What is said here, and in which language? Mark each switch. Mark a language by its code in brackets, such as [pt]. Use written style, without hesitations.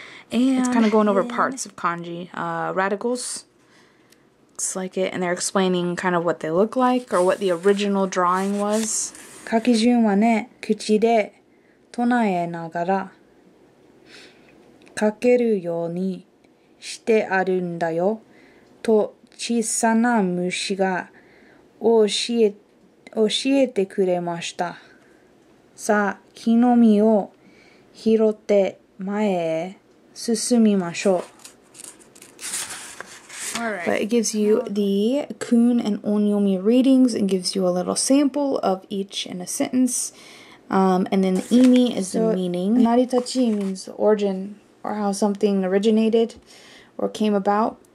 [en] And it's kind of going over parts of kanji. Radicals. Like it, and they're explaining kind of what they look like or what the original drawing was. [ja] 書き順はね、口で唱えながら書けるようにしてあるんだよと小さな虫が教えてくれました。さあ、木の実を拾って前へ進みましょう。 [en] Right. But it gives you the kun and onyomi readings and gives you a little sample of each in a sentence. And then the imi is the meaning. Naritachi means origin or how something originated or came about.